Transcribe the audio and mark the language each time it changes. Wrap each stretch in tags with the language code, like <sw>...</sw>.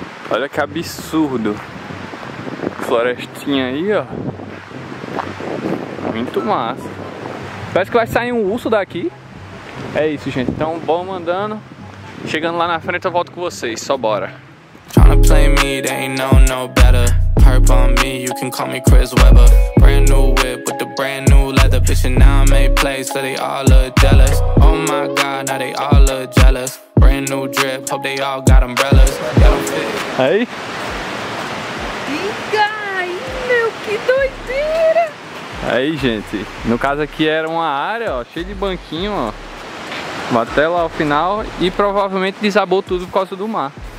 <pt>Olha que absurdo. Florestinha aí, ó. Muito massa. Parece que vai sair um urso daqui. É isso, gente. Então, bom andando. Chegando lá na frente, eu volto com vocês. Só bora.</pt> <en>Tryna play me, they ain't know no better. Perp on me, you can call me Chris Webber. Brand new whip with the brand new leather. Bitch, and now I make plays, so they all look jealous. Oh my god, now they all look jealous. Brand new drip, hope they all got umbrellas.</en> <pt>Aí? Diga aí, meu, que doideira! Aí, gente. No caso aqui era uma área, ó, cheia de banquinho, ó. Até lá ao final e provavelmente desabou tudo por causa do mar.</pt>